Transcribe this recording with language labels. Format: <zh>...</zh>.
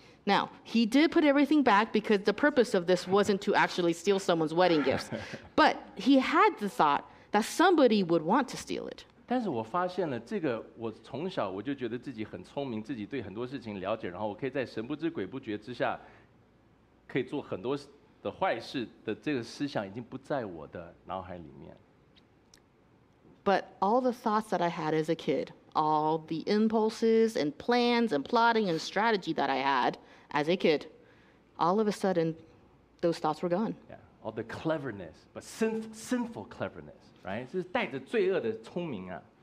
<en>Now he did put everything back because the purpose of this wasn't to actually steal someone's wedding gifts, but he had the thought that somebody would want to steal it.</en> <zh>但是我发现了这个，我从小我就觉得自己很聪明，自己对很多事情了解，然后我可以在神不知鬼不觉之下，可以做很多的坏事的这个思想已经不在我的脑海里面。</zh> <en>But all the thoughts that I had as a kid, all the impulses and plans and plotting and strategy that I had as a kid, all of a sudden, those thoughts were gone. Yeah, all the cleverness, but sinful cleverness, right?</en> <zh>是带着罪恶的聪明啊。</zh>